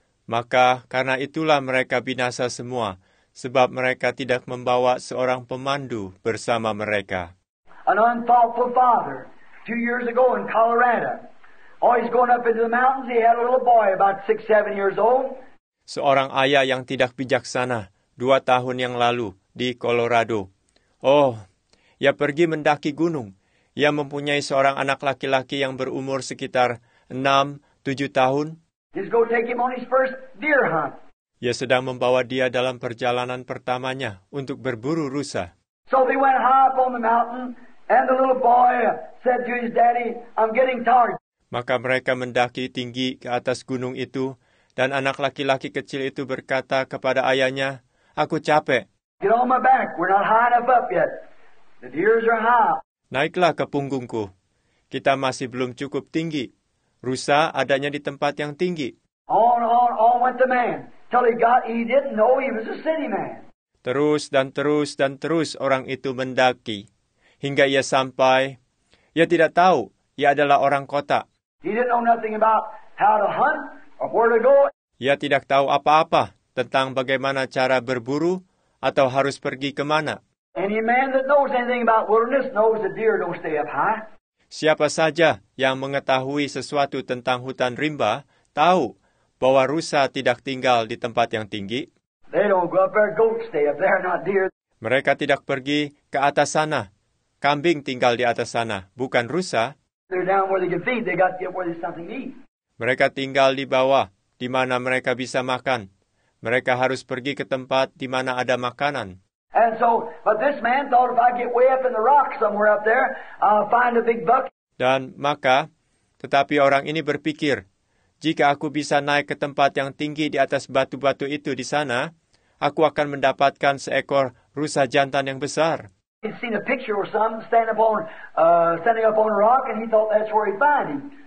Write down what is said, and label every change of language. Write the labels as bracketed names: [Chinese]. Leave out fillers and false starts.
[Indonesian] Maka karena itulah mereka binasa semua, sebab mereka tidak membawa seorang pemandu bersama mereka. [English] An unthoughtful father, 2 years ago in Colorado, always going up into the mountains, he had a little boy about 6-7 years old. [Indonesian] Seorang ayah yang tidak bijaksana, 2 tahun yang lalu, di Colorado. Oh, ia pergi mendaki gunung. Ia mempunyai seorang anak laki-laki yang berumur sekitar 6-7 tahun. [English] He's going to take him on his first deer hunt. [Indonesian] Ia sedang membawa dia dalam perjalanan pertamanya untuk berburu rusa. [English] So they went high up on the mountain, and the little boy said to his daddy, I'm getting tired. [Indonesian] Maka mereka mendaki tinggi ke atas gunung itu, dan anak laki-laki kecil itu berkata kepada ayahnya, aku capek. [English] Get on my back. We're not high enough up yet. The deers are high. [Indonesian] Naiklah ke punggungku. Kita masih belum cukup tinggi. Rusa adanya di tempat yang tinggi. [English] On went the man. Till he didn't know he was a city man. [Indonesian] Terus dan terus dan terus orang itu mendaki. Hingga ia sampai, ia tidak tahu, ia adalah orang kota. [English] He didn't know nothing about how to hunt or where to go. [Indonesian] Ia tidak tahu apa-apa tentang bagaimana cara berburu atau harus pergi ke mana. [English] Any man that knows anything about wilderness knows the deer don't stay up high. [Indonesian] Siapa saja yang mengetahui sesuatu tentang hutan rimba tahu bahwa rusa tidak tinggal di tempat yang tinggi. [English] They don't go up there, goats stay up there, not deer. [Indonesian] Mereka tidak pergi ke atas sana. Kambing tinggal di atas sana, bukan rusa. [English] They're down where they can feed. They got to get where there's something to eat. [Indonesian] Mereka tinggal di bawah, di mana mereka bisa makan. Mereka harus pergi ke tempat di mana ada makanan. [English] And so, but this man thought if I get way up in the rocks somewhere up there, I'll find a big buck. [Indonesian] Dan maka, tetapi orang ini berpikir, jika aku bisa naik ke tempat yang tinggi di atas batu-batu itu di sana, aku akan mendapatkan seekor rusa jantan yang besar. [English] He'd seen a picture of some standing up on a rock, and he thought that's where he'd find him.